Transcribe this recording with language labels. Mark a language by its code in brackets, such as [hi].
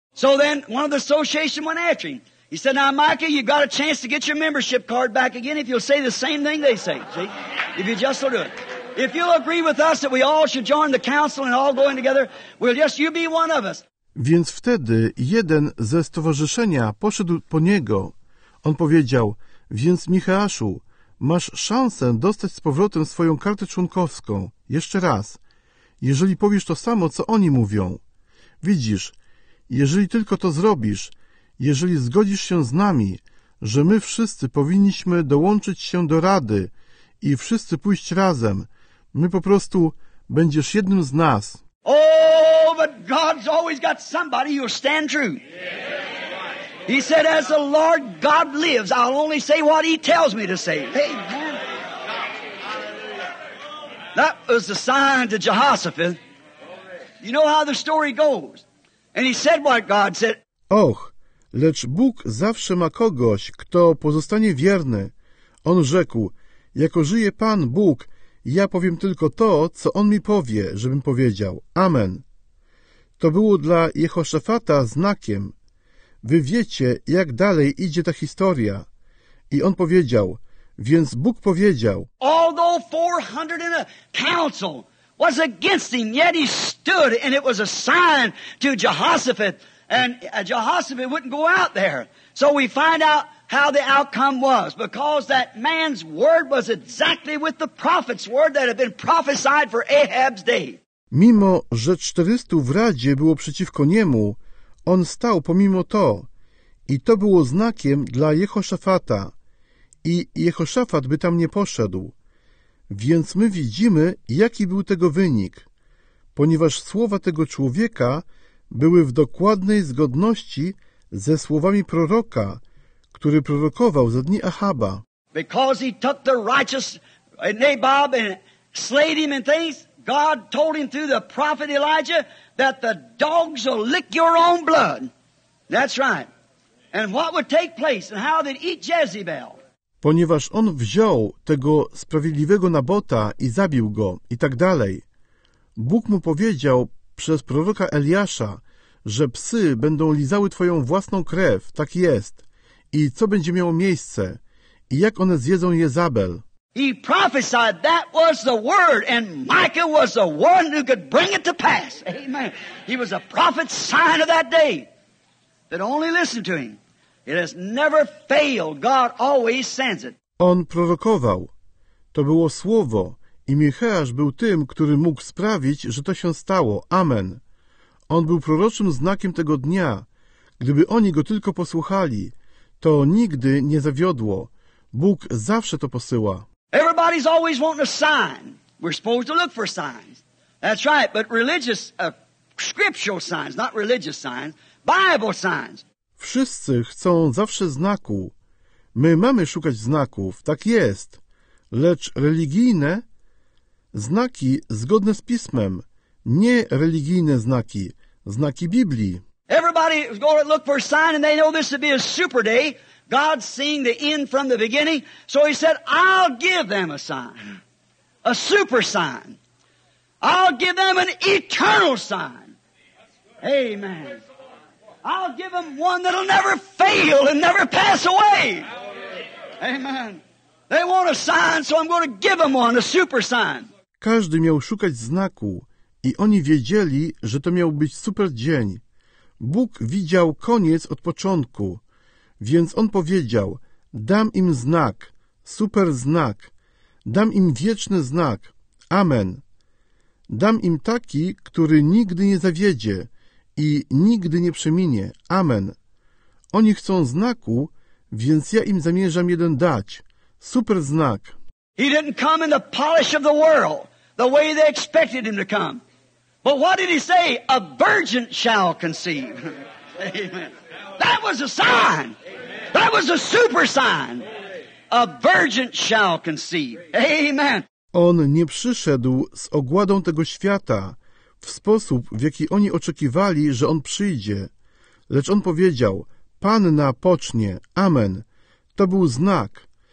[en] So then one of the association went after him. He said, now Micah, you've got a chance to get your membership card back again if you'll say the same thing they say. See? If you just will do it. If you'll agree with us that we all should join the council and all going together, we'll just you be one of us. [pl] Więc wtedy jeden ze stowarzyszenia poszedł po niego. On powiedział, więc Michaaszu, masz szansę dostać z powrotem swoją kartę członkowską. Jeszcze raz. Jeżeli powiesz to samo, co oni mówią. Widzisz, jeżeli tylko to zrobisz, jeżeli zgodzisz się z nami, że my wszyscy powinniśmy dołączyć się do Rady i wszyscy pójść razem, my po prostu będziesz jednym z nas. [en] Oh, but God's always got somebody who'll stand true. He said, as the Lord God lives, I'll only say what he tells me to say. Hey, man. That was the sign to Jehoshaphat. You know how the story goes. And he said what God said. [pl] Och, lecz Bóg zawsze ma kogoś, kto pozostanie wierny. On rzekł, jako żyje Pan Bóg, ja powiem tylko to, co On mi powie, żebym powiedział. Amen. To było dla Jehoszafata znakiem. Wy wiecie, jak dalej idzie ta historia. I on powiedział, więc Bóg powiedział. [en] Although 400 in a council was against him, yet he stood and it was a sign to Jehoshaphat. And Jehoshaphat wouldn't go out there. So we find out how the outcome was. Because that man's word was exactly with the prophet's word that had been prophesied for Ahab's day. [pl] Mimo, że 400 w Radzie było przeciwko niemu, on stał pomimo to. I to było znakiem dla Jehoszafata. I Jehoszafat by tam nie poszedł. Więc my widzimy, jaki był tego wynik. Ponieważ słowa tego człowieka były w dokładnej zgodności ze słowami proroka, który prorokował za dni Achaba. [en] Because he took the righteous Nabob and slayed him and things, God told him through the prophet Elijah that the dogs will lick your own blood. That's right. And what would take place and how they'd eat Jezebel. [pl] Ponieważ on wziął tego sprawiedliwego Nabota i zabił go i tak dalej. Bóg mu powiedział przez proroka Eliasza, że psy będą lizały twoją własną krew, tak jest. I co będzie miało miejsce? I jak one zjedzą Jezabel? [en] He prophesied that was the word, and Micah was the one who could bring it to pass. Amen. He was a prophet's sign of that day. But only listen to him. It has never failed. God always sends it. [pl] On prorokował. To było słowo. I Micheasz był tym, który mógł sprawić, że to się stało. Amen. On był proroczym znakiem tego dnia. Gdyby oni go tylko posłuchali, to nigdy nie zawiodło. Bóg zawsze to posyła. [en] Everybody's always wanting a sign. We're supposed to look for signs. That's right, but religious, scriptural signs, not religious signs, Bible signs. [pl] Wszyscy chcą zawsze znaku. My mamy szukać znaków, tak jest. Lecz religijne... Znaki zgodne z Pismem, nie religijne znaki, znaki Biblii. [en] Everybody is going to look for a sign and they know this to be a super day. God's seeing the end from the beginning. So he said, I'll give them a sign, a super sign. I'll give them an eternal sign. Amen. I'll give them one that'll never fail and never pass away. Amen. They want a sign, so I'm going to give them one, a super sign. [pl] Każdy miał szukać znaku i oni wiedzieli, że to miał być super dzień. Bóg widział koniec od początku, więc on powiedział, dam im znak, super znak, dam im wieczny znak, amen. Dam im taki, który nigdy nie zawiedzie i nigdy nie przeminie, amen. Oni chcą znaku, więc ja im zamierzam jeden dać, super znak. [en] He didn't come in the polish of the world, the way they expected him to come. But what did he say? A virgin shall conceive. Amen. That was a sign. That was a super sign. A virgin shall conceive. Amen. [pl] On nie przyszedł z ogładą tego świata w sposób, w jaki oni oczekiwali, że on przyjdzie. Lecz on powiedział, Panna pocznie. Amen. To był znak.